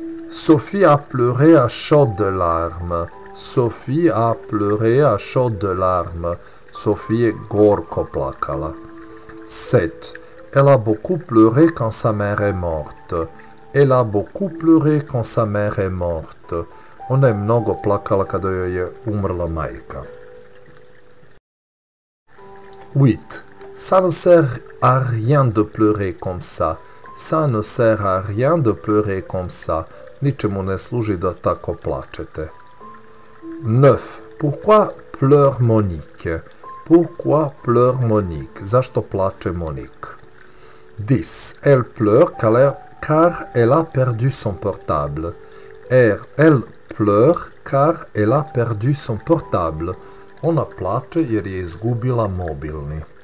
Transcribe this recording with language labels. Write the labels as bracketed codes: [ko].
[fr] Sophie a pleuré à chaudes larmes. Sophie a pleuré à chaudes larmes. [sr] Sophie est gorko plakala. 7. [fr] Elle a beaucoup pleuré quand sa mère est morte. Elle a beaucoup pleuré quand sa mère est morte. [sr] On a mnogo plakala kada joj je umrla majka. 8. [fr] Ça ne sert à rien de pleurer comme ça. Ça ne sert à rien de pleurer comme ça. [sr] Ničemu ne služi da tako plačete. 9. [fr] Pourquoi pleure Monique? Pourquoi pleure Monique? [sr] Zašto plače Monique? 10. [fr] Elle pleure car elle a perdu son portable. Elle pleure car elle a perdu son portable. [sr] Ona plače jer je izgubila mobilni.